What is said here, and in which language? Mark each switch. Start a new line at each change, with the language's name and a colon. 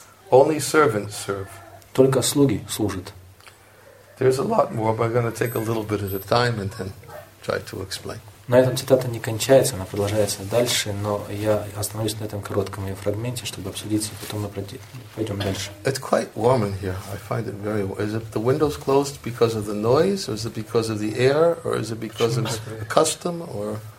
English: Only servants serve.
Russian: Только слуги служат.
English: There's a lot more, but I'm going to take a little bit at a time and then try to explain.
Russian: На этом цитата не кончается, она продолжается дальше, но я остановлюсь на этом коротком ее фрагменте, чтобы обсудиться, потом мы пойдем дальше.
English: It's quite warm in here. I find it very warm. Is it the windows closed because of the noise, or is it because of the air, or is it because of the custom, or